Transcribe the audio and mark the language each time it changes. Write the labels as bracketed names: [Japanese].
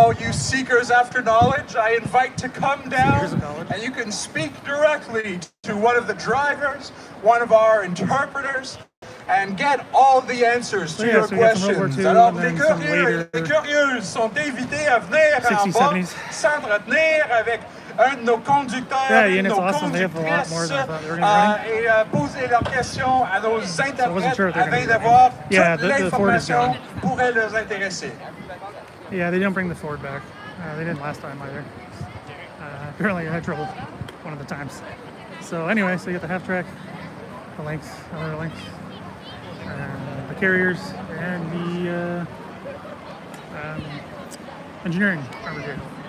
[English] seekers after knowledge, I invite to come down and you can speak directly to one of the drivers, one of our interpreters, and get all the answers to your questions. [French] Alors, les curieux sont invités à venir en bas, s'entretenir avec un de nos conducteurs et nos conductrices, et poser leurs questions à nos interprètes afin d'avoir toute l'information qui pourrait les intéresser. [English] Yeah, they don't bring the Ford back. They didn't last time either. Apparently I had trouble one of the times. So anyway, so you got the half track, the Lynx, other Lynx, the carriers, and the engineering armor gear.